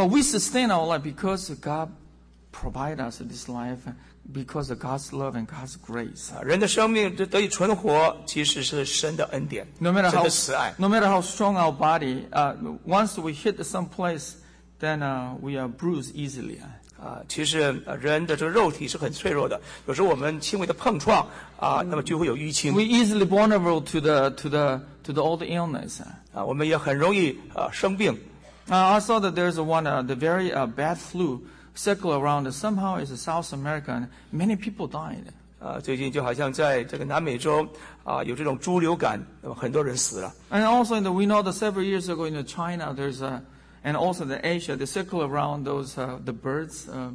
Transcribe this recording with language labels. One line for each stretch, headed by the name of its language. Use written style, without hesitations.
English: But we sustain our life because God. Provide us this life because of God's love and God's grace.
Chinese: 人的生命得以存活，其实是神的恩典，神的慈爱。
English: No matter how strong our body, once we hit some place, then we are bruised easily.
Chinese: 其实人的这个肉体是很脆弱的，有时候我们轻微的碰撞那么就会有淤青。
English: We easily vulnerable to the old illness.
Chinese: 我们也很容易生病。
English: I saw that there's one the very bad flu. Circle around somehow is South America. Many people died.
Chinese: 最近就好像在这个南美洲有这种猪流感，很多人死了。
English: And also, we know that several years ago in China, there's and also in Asia, they circle around those the birds.